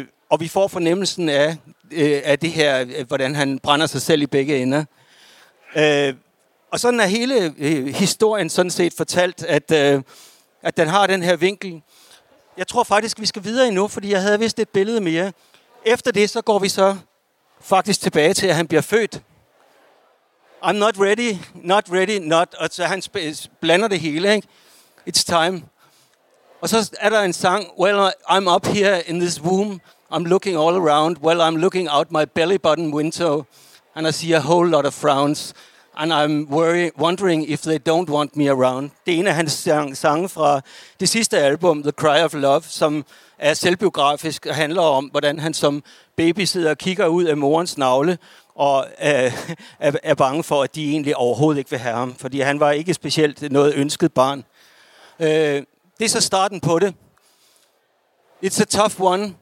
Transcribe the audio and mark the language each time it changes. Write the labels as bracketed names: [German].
[Danish] Og vi får fornemmelsen af det her, hvordan han brænder sig selv i begge ender. Og sådan er hele historien sådan set fortalt, at den har den her vinkel. Jeg tror faktisk, vi skal videre endnu, fordi jeg havde vist et billede mere. Efter det, så går vi så faktisk tilbage til, at han bliver født. [English] I'm not ready, not ready, not. [Danish] Og så han blander det hele, ikke? [English] It's time. [Danish] Og så er der en sang, [English] well, I'm up here in this womb, I'm looking all around, well, I'm looking out my belly button window, and I see a whole lot of frowns, and I'm wondering if they don't want me around. [Danish] Det er en af hans sange fra det sidste album, The Cry of Love, som er selvbiografisk og handler om, hvordan han som baby sidder og kigger ud af morens navle, og er bange for, at de egentlig overhovedet ikke vil have ham, fordi han var ikke specielt noget ønsket barn. Det er så starten på det. [English] It's a tough one.